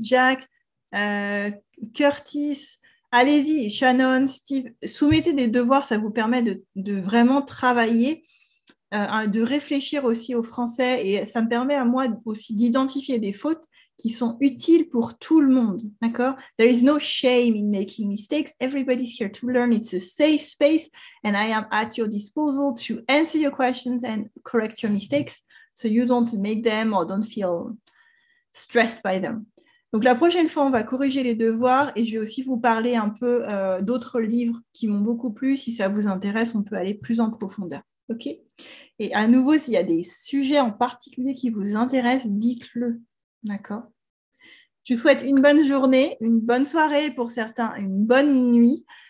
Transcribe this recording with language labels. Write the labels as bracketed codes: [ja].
[fr] Jack, Curtis... Allez-y, Shannon, Steve, soumettez des devoirs, ça vous permet de vraiment travailler, de réfléchir aussi au français et ça me permet à moi aussi d'identifier des fautes qui sont utiles pour tout le monde, d'accord? [en] There is no shame in making mistakes. Everybody's here to learn. It's a safe space and I am at your disposal to answer your questions and correct your mistakes so you don't make them or don't feel stressed by them. [fr] Donc, la prochaine fois, on va corriger les devoirs et je vais aussi vous parler un peu d'autres livres qui m'ont beaucoup plu. Si ça vous intéresse, on peut aller plus en profondeur. OK ? Et à nouveau, s'il y a des sujets en particulier qui vous intéressent, dites-le. D'accord ? Je vous souhaite une bonne journée, une bonne soirée pour certains, une bonne nuit.